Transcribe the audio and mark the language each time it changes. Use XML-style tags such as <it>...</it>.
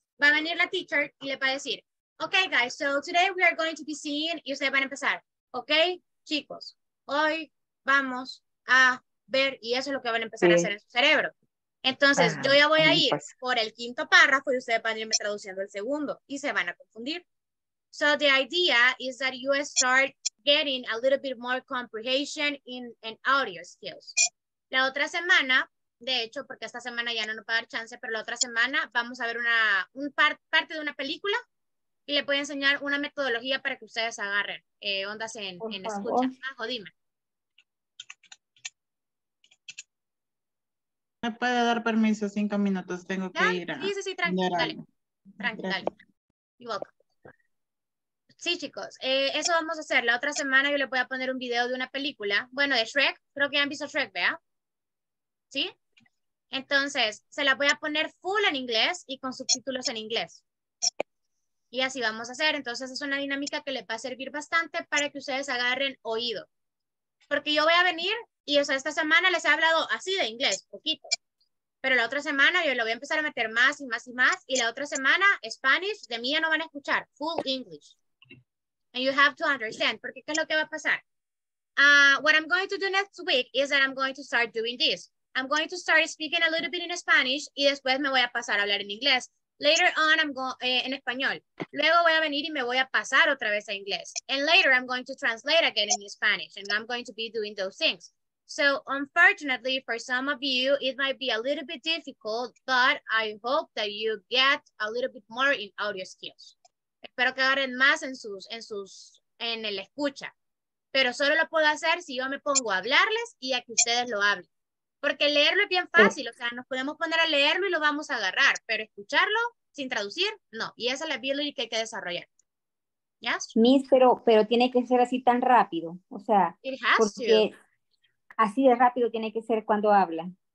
<es>Va a venir la teacher y le va a decir,</es> <en>okay, guys, so today we are going to be seeing,</en> <es>y ustedes van a empezar, okay, chicos, hoy vamos a ver, y eso es lo que van a empezar sí. a hacer en su cerebro. Entonces, ajá, yo ya voy a ir por el quinto párrafo y ustedes van a irme traduciendo el segundo y se van a confundir.</es> <en>So the idea is that you start getting a little bit more comprehension in audio skills.</en> <es>La otra semana, de hecho, porque esta semana ya no nos va a dar chance, pero la otra semana vamos a ver parte de una película y les voy a enseñar una metodología para que ustedes agarren ondas en escucha. Majo, dime. ¿Me puede dar permiso 5 minutos? Tengo ¿ya? Que ir. Sí, sí, sí, tranquilo. Dale. Tranquilo. Dale. Sí, chicos, eso vamos a hacer. La otra semana yo les voy a poner un video de una película, bueno, de Shrek. Creo que ya han visto Shrek, ¿vea? ¿Sí? Entonces, se la voy a poner full en inglés y con subtítulos en inglés. Y así vamos a hacer. Entonces, es una dinámica que les va a servir bastante para que ustedes agarren oído. Porque yo voy a venir y, o sea, esta semana les he hablado así de inglés, poquito. Pero la otra semana yo lo voy a empezar a meter más y más y más. Y la otra semana, Spanish, de mí ya no van a escuchar.</es> <en>Full English. And you have to understand.</en> <es>Porque, ¿qué es lo que va a pasar?</es> <en>What I'm going to do next week is that I'm going to start doing this. I'm going to start speaking a little bit in Spanish</en> <es>y después me voy a pasar a hablar en inglés.</es> <en>Later on,</en> <es>en español. Luego voy a venir y me voy a pasar otra vez a inglés.</es> <en>And later, I'm going to translate again in Spanish and I'm going to be doing those things. So, unfortunately, for some of you, it might be a little bit difficult, but I hope that you get a little bit more in audio skills.</en> <es>Espero que agarren más en el escucha. Pero solo lo puedo hacer si yo me pongo a hablarles y a que ustedes lo hablen. Porque leerlo es bien fácil, o sea, nos podemos poner a leerlo y lo vamos a agarrar, pero escucharlo sin traducir, no. Y esa es la ability que hay que desarrollar. ¿Ya? ¿Yes? Miss, pero tiene que ser así tan rápido, o sea, porque así de rápido tiene que ser cuando habla.</es>